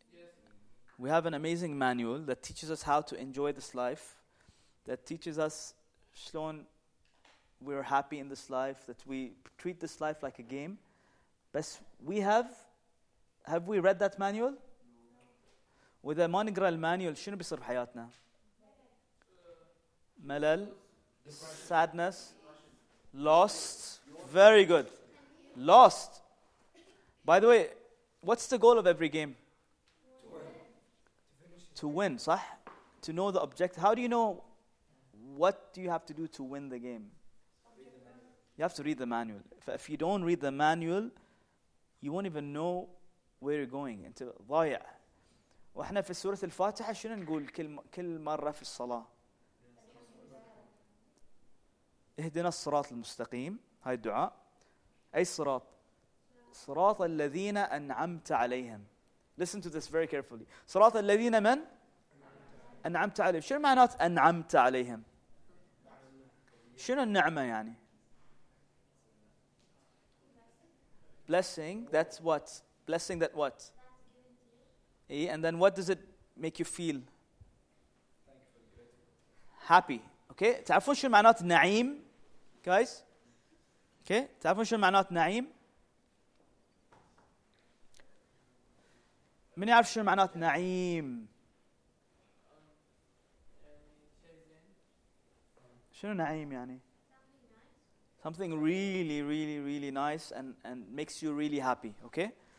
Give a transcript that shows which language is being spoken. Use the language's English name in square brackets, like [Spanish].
[English] Yes. We have an amazing manual that teaches us how to enjoy this life. That teaches us [Arabic] شلون [English] we're happy in this life, that we treat this life like a game. But we have we read that manual? [Arabic] وإذا ما نقرأ المانيول شنو بيصير بحياتنا؟ ملل, [English] sadness, lost. Very good. Lost. By the way, what's the goal of every game? To win. To win, [Arabic] صح? [English] To know the objective. How do you know what do you have to do to win the game? You have to read the manual. If you don't read the manual, you won't even know where you're going. [Arabic] أنت ضايع. وإحنا في سورة الفاتحة شنو نقول كل مرة في الصلاة؟ اهدنا الصراط المستقيم. هاي الدعاء. أي صراط؟ صراط الذين أنعمت عليهم. [English] Listen to this very carefully. [Arabic] صراط الذين من؟ أنعمت عليهم. شنو معنات أنعمت عليهم؟ شنو النعمة يعني؟ [English] Blessing, that's what? Blessing that what? And then what does it make you feel? Happy. Okay? [Arabic] تعرفون شنو معنات نعيم؟ [English] Guys? Okay? [Arabic] تعرفون شنو معنات نعيم؟ من يعرف شنو معنات نعيم؟ شنو نعيم يعني؟ [English] Something really, really, really nice and makes you really happy. Okay?